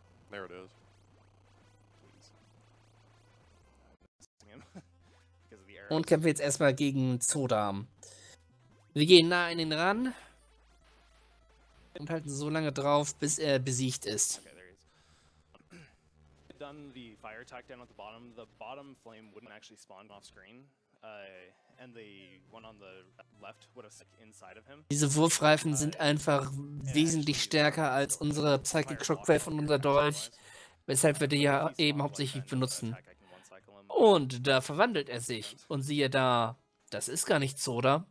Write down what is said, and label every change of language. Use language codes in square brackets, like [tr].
[en] There it is. [de] Und kämpfen wir jetzt erstmal gegen Zodarm. Wir gehen nah an ihn ran. Und halten so lange drauf, bis er besiegt ist. Dann die Fire-Attack [en] down at the bottom. The bottom flame wouldn't actually spawn off screen. And the one on the left would have stuck inside of him. [de] Diese Wurfreifen sind einfach wesentlich stärker als unsere Psychic Shockwave und unser Dolch, weshalb wir die ja eben hauptsächlich benutzen. Und da verwandelt er sich. Und siehe da, das ist gar nicht so, oder?